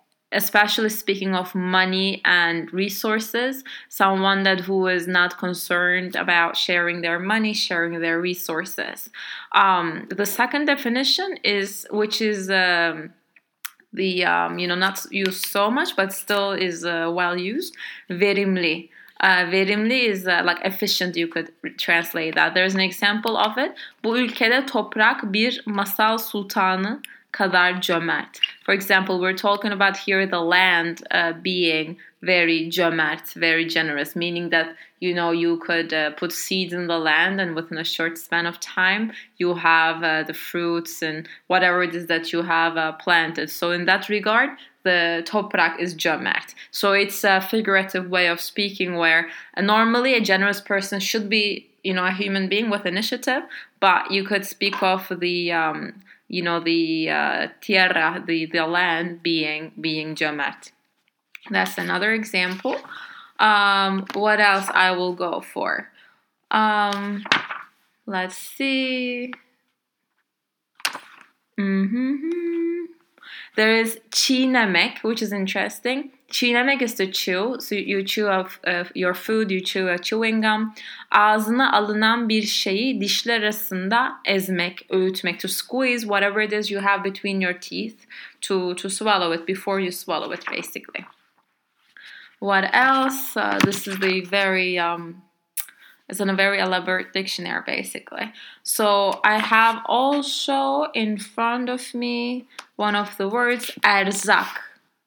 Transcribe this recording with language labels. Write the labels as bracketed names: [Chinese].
[English] Especially speaking of money and resources, someone that who is not concerned about sharing their money, sharing their resources. The second definition is, which is not used so much, but still is well used. Verimli. Verimli is like efficient, you could translate that. There's an example of it. [Turkish] Bu ülkede toprak bir masal sultanı kadar cömert. [English] For example, we're talking about here the land being very cömert, very generous, meaning that, you know, you could put seeds in the land and within a short span of time, you have the fruits and whatever it is that you have planted. So in that regard, the toprak is cömert. So it's a figurative way of speaking where normally a generous person should be, you know, a human being with initiative, but you could speak of the, you know, the tierra, the land being cömert. That's another example. What else I will go for? Let's see. There is çiğnemek, which is interesting. Çiğnemek is to chew. So you chew your food, you chew a chewing gum. [Turkish] Ağzına alınan bir şeyi dişler arasında ezmek, öğütmek. [English] To squeeze whatever it is you have between your teeth to swallow it before you swallow it, basically. What else? This is the very... it's in a very elaborate dictionary, basically. So I have also in front of me one of the words, erzak.